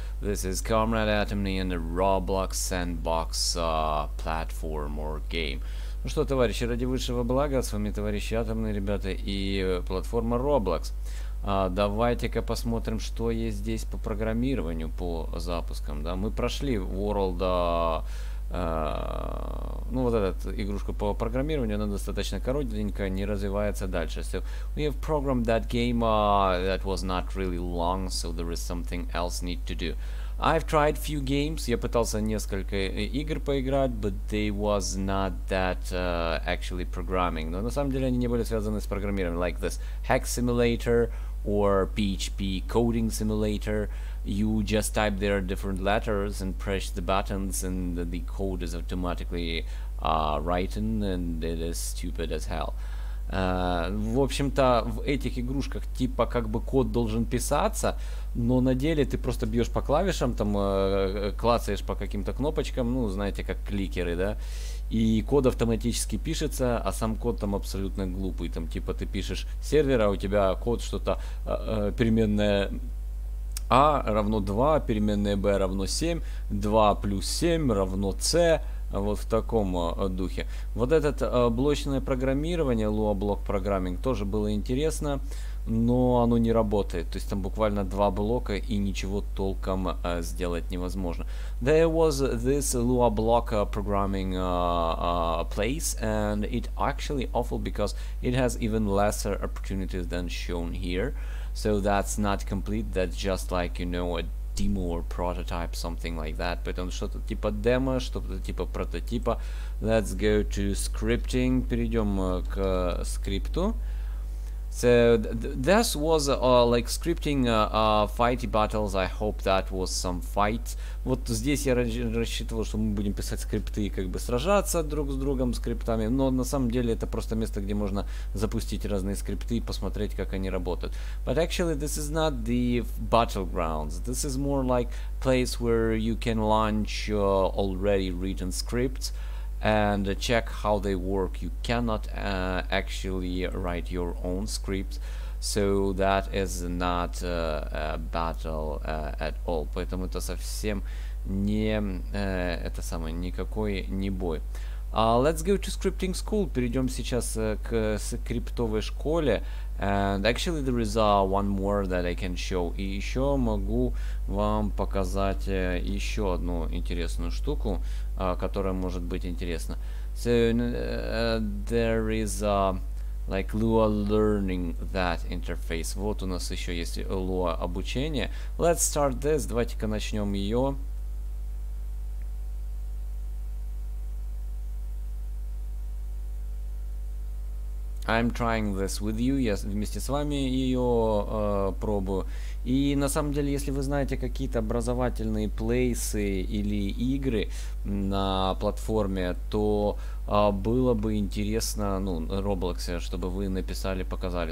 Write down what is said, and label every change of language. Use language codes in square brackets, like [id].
[en] This is Comrade Atomny in the Roblox Sandbox platform or game. [ru] Ну что, товарищи, ради высшего блага, с вами товарищи Атомные, ребята, и платформа Roblox. Давайте-ка посмотрим, что есть здесь по программированию, по запускам. Да? Мы прошли World... ну вот эту игрушку по программированию, она достаточно коротенькая, не развивается дальше. [en] So we have programmed that game that was not really long, so there is something else need to do. I've tried few games, [ru] я пытался несколько игр поиграть, [en] but they was not that actually programming. [ru] Но на самом деле они не были связаны с программированием, [en] like this Hack Simulator or PHP Coding Simulator. You just type there different letters and press the buttons and the code is automatically written and it is stupid as hell. [ru] В общем-то, в этих игрушках типа как бы код должен писаться, но на деле ты просто бьешь по клавишам, там клацаешь по каким-то кнопочкам, ну, знаете, как кликеры, да, и код автоматически пишется, а сам код там абсолютно глупый, там типа ты пишешь сервер, а у тебя код что-то переменная А равно 2, переменная Б равно 7, 2 плюс 7 равно С, вот в таком духе. Вот это блочное программирование, Lua Block Programming, тоже было интересно, но оно не работает. То есть там буквально 2 блока и ничего толком сделать невозможно. [en] There was this Lua Block Programming place, and it actually awful because it has even lesser opportunities than shown here. So that's not complete, that's just like, you know, a demo or prototype, something like that. [ru] Поэтому что-то типа демо, что-то типа прототипа. [en] Let's go to scripting. [ru] Перейдем к скрипту. [en] So this was like scripting fighty battles. I hope that was some fight. [ru] Вот здесь я рассчитывал, что мы будем писать скрипты и как бы сражаться друг с другом скриптами. Но на самом деле это просто место, где можно запустить разные скрипты и посмотреть, как они работают. [en] But actually, this is not the battlegrounds. This is more like place where you can launch already written scripts and check how they work. You cannot actually write your own script, so that is not a battle at all. [ru] Поэтому это совсем не это самое, никакой не бой. [en] Let's go to scripting school. [ru] Перейдем сейчас к скриптовой школе. [en] And actually there is one more that I can show. [ru] И еще могу вам показать еще одну интересную штуку, которая может быть интересна. [en] So there is like Lua learning that interface. [ru] Вот у нас еще есть Lua обучение. [en] Let's start this. [ru] Давайте-ка начнем ее. [en] I'm trying this with you. [ru] Я вместе с вами ее пробую. И на самом деле, если вы знаете какие-то образовательные плейсы или игры на платформе, то было бы интересно, ну, Roblox, чтобы вы написали, показали.